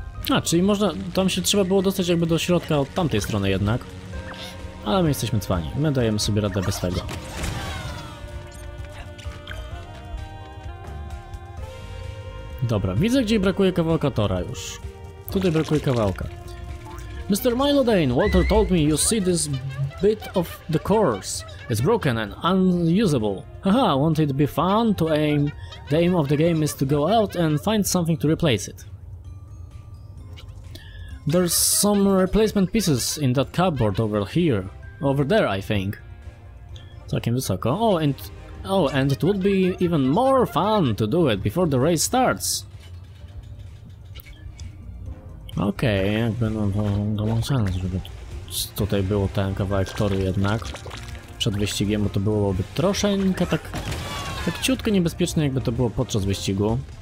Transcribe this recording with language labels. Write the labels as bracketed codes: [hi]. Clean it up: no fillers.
[pl] A, czyli można, tam się trzeba było dostać jakby do środka od tamtej strony jednak. Ale my jesteśmy cwani, my dajemy sobie radę bez tego. Dobra, widzę gdzie brakuje kawałka tora już. Tutaj brakuje kawałka. Mr. [en] Milo Dane, Walter told me you see this bit of the course. It's broken and unusable. Haha, won't it be fun to aim? The aim of the game is to go out and find something to replace it. There's some replacement pieces in that cupboard over here. Over there, I think. [pl] Całkiem wysoko. [en] Oh, and it would be even more fun to do it before the race starts. [pl] Okej, okay, jakby no to dołączane, żeby tutaj było ten kawałek toru jednak. Przed wyścigiem, bo to byłoby troszeczkę tak ciutko niebezpieczne, jakby to było podczas wyścigu.